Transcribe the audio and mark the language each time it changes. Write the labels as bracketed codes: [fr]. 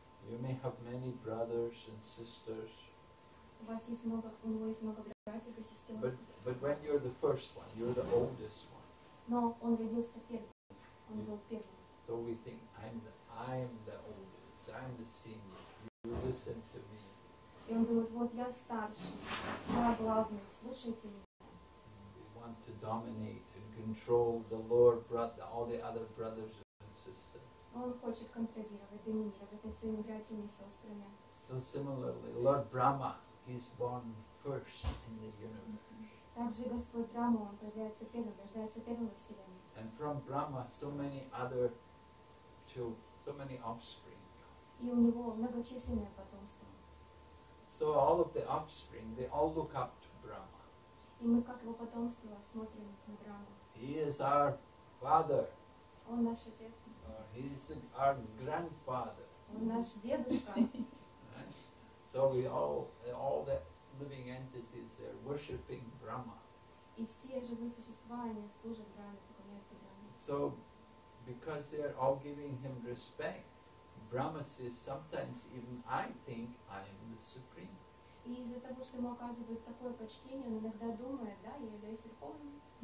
[en] You may have many brothers and sisters. But when you're the first one, you're the oldest one. [ru] Но он родился первым. Он был первым. [en] So we think I'm the oldest, I'm the senior. You listen to me. [ru] И он думает, вот я старший, я главный, слушайте меня. [en] We want to dominate and control the lower brother, all the other brothers and sisters. [ru] Он хочет контролировать, доминировать над своими братьями и сестрами. [en] So similarly, Lord Brahma, he's born first in the universe. [ru] Также Господь Брама, он появляется первым, рождается первым во вселенной. [en] And from Brahma, so many other children, so many offspring. [ru] И у него многочисленное потомство. [en] So all of the offspring, they all look up to Brahma. [ru] И мы как его потомство смотрим на Брама. [en] He is our father. [ru] Он наш отец. [en] He is our grandfather. [ru] Он наш дедушка. [en] Right? So we all the living entities are worshipping Brahma. [ru] И все живые существа, они служат Брахме, поклоняются Брахме. [en] So, because they are all giving him respect, Brahma says, sometimes even I think I am the supreme. [ru] И из-за того, что ему оказывают такое почтение, он иногда думает, да, я являюсь верховным.